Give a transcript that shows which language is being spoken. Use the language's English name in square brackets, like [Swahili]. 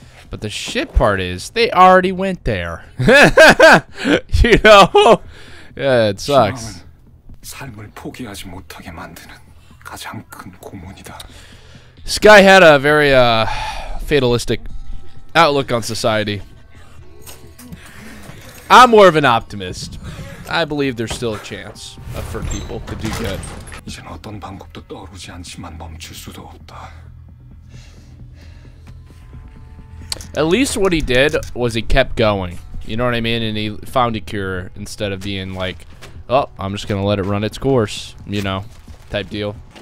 [English] But the shit part is, they already went there. You know? Yeah, it sucks. [Korean] 삶을 포기하지 못하게 만드는 가장 큰 고문이다. [English] This guy had a very fatalistic outlook on society. I'm more of an optimist. I believe there's still a chance for people to do good. [Korean] 이젠 어떤 방법도 떠오르지 않지만 멈출 수도 없다. [English] At least what he did was he kept going. You know what I mean? And he found a cure instead of being like, oh, I'm just gonna let it run its course, you know, type deal.